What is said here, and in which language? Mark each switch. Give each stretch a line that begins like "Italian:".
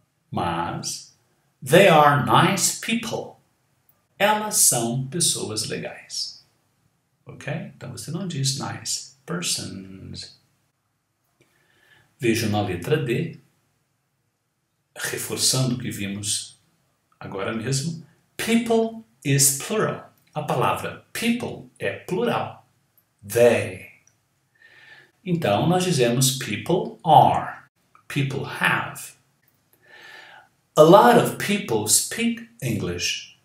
English: Mas, they are nice people.
Portuguese: Elas são pessoas legais. Ok? Então você não diz
English: nice persons.
Portuguese: Vejo na letra D, reforçando o que vimos agora mesmo.
English: People is plural.
Portuguese: A palavra people é plural. They. Então, nós dizemos
English: people are. People have. A lot of people speak English.